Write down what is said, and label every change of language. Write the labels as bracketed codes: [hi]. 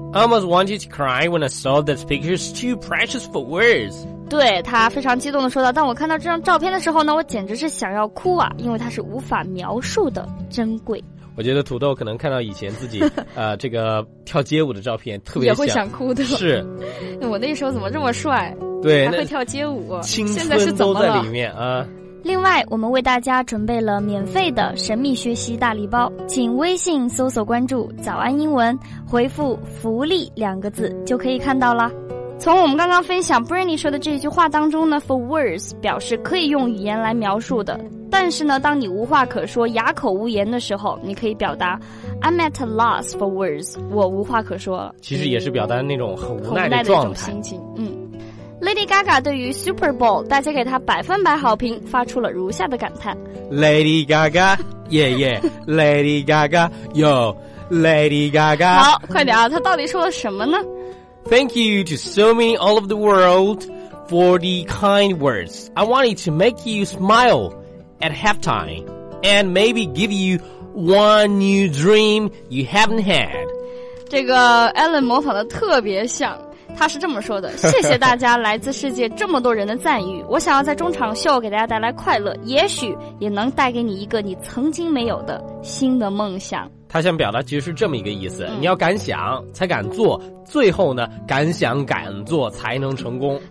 [en] I almost wanted to cry when I saw this picture is too precious for words。 [zh] 对，他非常激动地说道，当我看到这张照片的时候呢，我简直是想要哭啊，因为它是无法描述的珍贵。我觉得土豆可能看到以前自己这个跳街舞的照片特别想也会想哭的。是，我那时候怎么这么帅，对，还会跳街舞，青春都在里面啊。另外我们为大家准备了免费的神秘学习大礼包，请微信搜索关注早安英文，回复福利两个字就可以看到了。从我们刚刚分享 Britney 说的这句话当中呢， [en] for words [zh] 表示可以用语言来描述的，但是呢当你无话可说哑口无言的时候，你可以表达 [en] I'm at a loss for words， [zh] 我无话可说了，其实也是表达那种很无奈的状态，很无奈的一种心情。Lady Gaga 对于 Super Bowl 大家给她百分百好评，发出了如下的感叹： [en] Lady Gaga yeah yeah Lady Gaga yo Lady Gaga。 [zh] 好，快点啊，她到底说了什么呢？ [en] Thank you to so many all over the world for the kind words. I wanted to make you smile at halftime and maybe give you one new dream you haven't had. [zh] 这个 Ellen 模仿的特别像，他是这么说的：谢谢大家来自世界这么多人的赞誉，我想要在中场秀给大家带来快乐，也许也能带给你一个你曾经没有的新的梦想。他想表达其实是这么一个意思，你要敢想才敢做，最后呢敢想敢做才能成功。